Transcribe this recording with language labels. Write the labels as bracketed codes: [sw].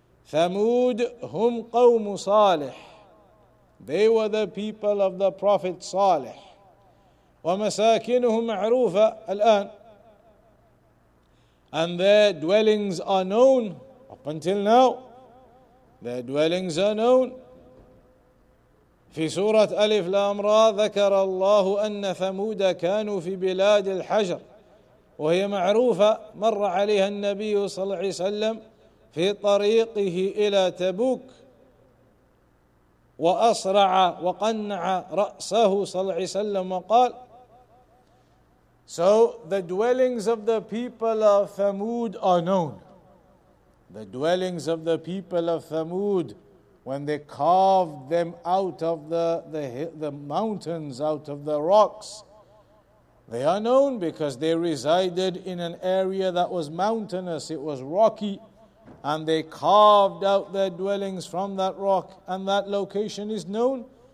[ar] Thamud hum qawm salih. [en] They were the people of the Prophet Salih. [ar] Wa masakinuhum ma'roofa al-an. [en] And their dwellings are known up until now. Their dwellings are known. [ar] في سورة ألف لام را ذكر الله أن ثمود كانوا في بلاد الحجر وهي معروفة مر عليها النبي صلى الله عليه وسلم في طريقه إلى تبوك وأسرع وقنع رأسه صلى الله عليه وسلم وقال. [en] So the dwellings of the people of Thamud are known. The dwellings of the people of Thamud, when they carved them out of the mountains, out of the rocks, they are known because they resided in an area that was mountainous, it was rocky, and they carved out their dwellings from that rock, and that location is known.